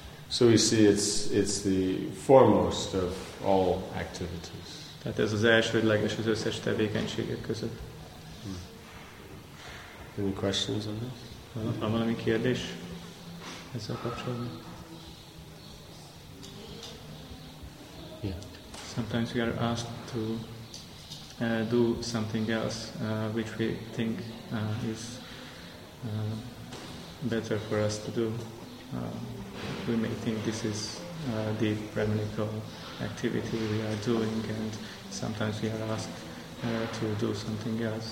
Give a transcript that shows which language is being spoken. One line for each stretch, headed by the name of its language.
English: So we see it's the foremost of all activities.
Hungarian: Tehát ez az elsődleges az összes tevékenységek között.
English: Any questions on this?
Hungarian: Van valami kérdés ezzel kapcsolatban?
English: Yeah. Sometimes we are asked to do something else which we think is better for us to do. We may think this is the brahminical activity we are doing, and sometimes we are asked to do something else.